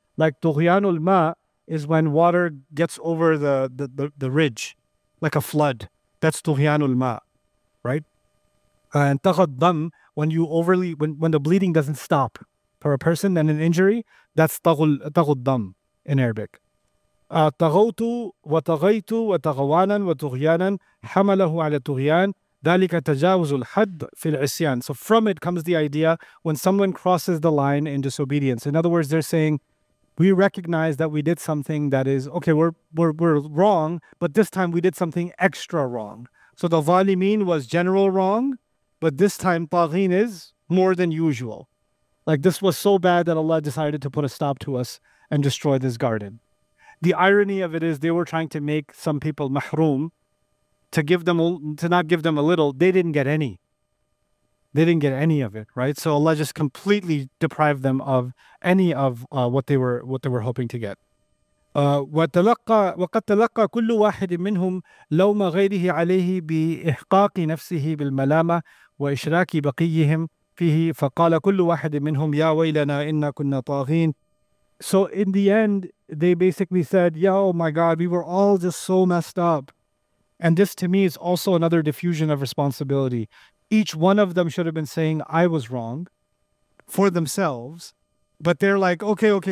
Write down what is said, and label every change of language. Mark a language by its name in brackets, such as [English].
[English] Like tughyanul ma is when water gets over the ridge, like a flood. That's tughyanul ma, right? And taghaddam, when the bleeding doesn't stop for a person and an injury, that's taghaddam in Arabic. [Arabic] طغوتوا وطغيتوا وتغوانا وتغيانا حمله على طغيان ذلك تجاوز الحد في العصيان. [English] So from it comes the idea when someone crosses the line in disobedience. In other words, they're saying, we recognize that we did something that is, okay, we're wrong, but this time we did something extra wrong. So the ظالمين was general wrong, but this time طغين is more than usual. Like this was so bad that Allah decided to put a stop to us and destroy this garden. The irony of it is they were trying to make some people mahroom to not give them a little. They didn't get any. They didn't get any of it, right? So Allah just completely deprived them of any of what they were hoping to get. [Arabic] وقد تلقى كل واحد منهم لوم غيره عليه بإحقاق نفسه بالملامة وإشراك بقيهم فيه فقال كل واحد منهم يا ويلنا إنا كنا طاغين. [English] So in the end, they basically said, yeah, oh my God, we were all just so messed up. And this to me is also another diffusion of responsibility. Each one of them should have been saying, I was wrong for themselves. But they're like, okay.